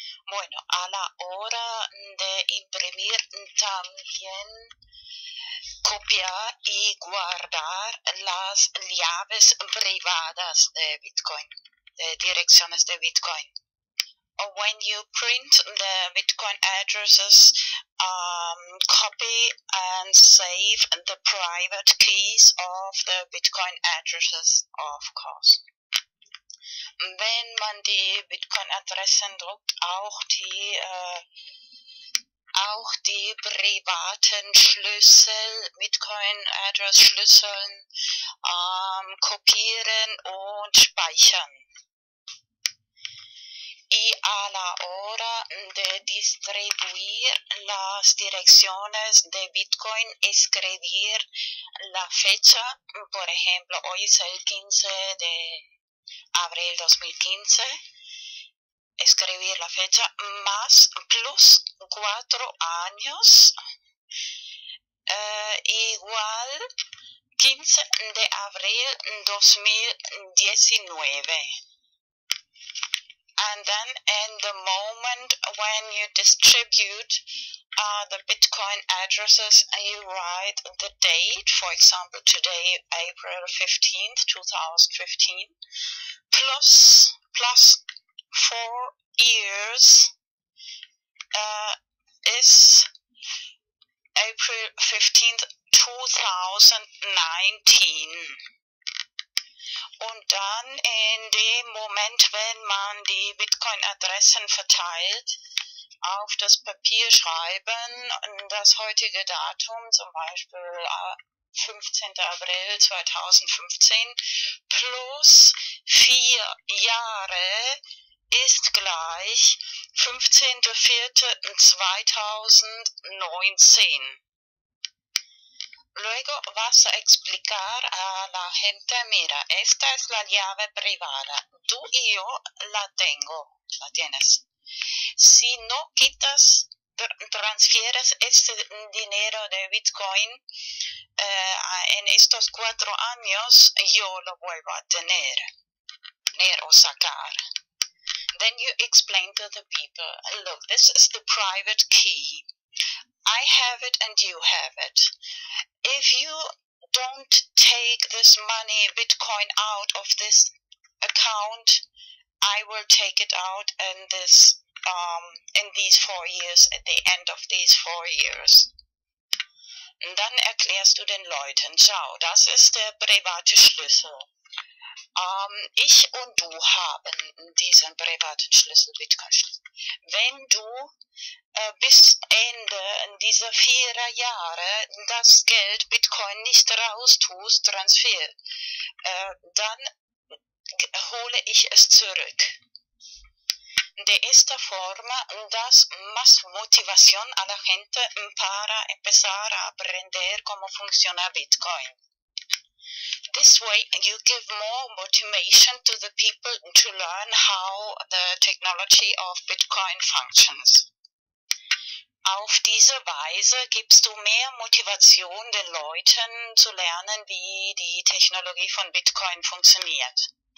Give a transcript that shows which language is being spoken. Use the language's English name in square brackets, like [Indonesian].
[Spanish] Bueno, a la hora de imprimir también copiar y guardar las llaves privadas de Bitcoin, de direcciones de Bitcoin. [English] Or when you print the Bitcoin addresses, copy and save the private keys of the Bitcoin addresses, of course. [German] Wenn man die Bitcoin-Adressen druckt, auch die privaten Schlüssel, Bitcoin-Address-Schlüsseln, kopieren und speichern. [Spanish] Y a la hora de distribuir las direcciones de Bitcoin, escribir la fecha, por ejemplo, hoy es el 15 de abril 2015, escribir la fecha más plus 4 años, igual 15 de abril 2019. [English] And then in the moment when you distribute the Bitcoin addresses, you write the date, for example, today, April 15th, 2015, plus 4 years, is April 15th, 2019. [German] Und dann in dem Moment, wenn man die Bitcoin-Adressen verteilt, auf das Papier schreiben, das heutige Datum, zum Beispiel 15. April 2015, plus 4 Jahre ist gleich 15.04.2019. [Spanish] Luego vas a explicar a la gente, mira, esta es la llave privada. Tú y yo la tengo, la tienes. Si no quitas, transfieres este dinero de Bitcoin, en estos 4 años, yo lo vuelvo a tener o sacar. [English] Then you explain to the people, look, this is the private key. I have it and you have it. If you don't take this money, Bitcoin, out of this account, I will take it out in these 4 years, at the end of these 4 years. [German] Und dann erklärst du den Leuten, schau, das ist der private Schlüssel. Ich und du haben diesen privaten Schlüssel, Bitcoin-Schlüssel. Wenn du bis Ende dieser 4 Jahre das Geld Bitcoin nicht raustust, Transfer, dann hole ich es zurück. [Spanish] De esta forma, das más motivación a la gente para empezar a aprender cómo funciona Bitcoin. [English] This way, you give more motivation to the people to learn how the technology of Bitcoin functions. [German] Auf diese Weise gibst du mehr Motivation den Leuten zu lernen, wie die Technologie von Bitcoin funktioniert.